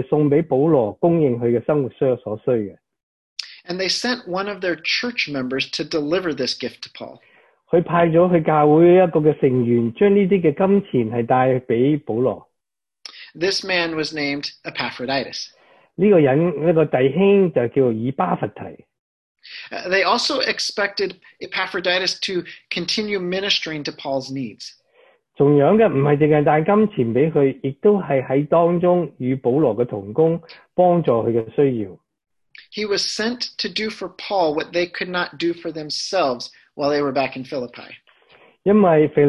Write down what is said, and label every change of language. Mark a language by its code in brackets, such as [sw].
[yue] 因为保罗坐紧监的时候，腓立比教会的人是收集这些金钱，来到是送给保罗供应他的生活所需的。 [en] And they sent one of their church members to deliver this gift to Paul. [yue] 他派了他教会一个的成员，将这些金钱是带给保罗。 [en] This man was named Epaphroditus. [yue] 这个人，这个弟兄就叫以巴弗提。 [en] They also expected Epaphroditus to continue ministering to Paul's needs. [yue] 同样的，不是只是带金钱给他，亦都是在当中与保罗的同工，帮助他的需要。 [en] He was sent to do for Paul what they could not do for themselves while they were back in Philippi.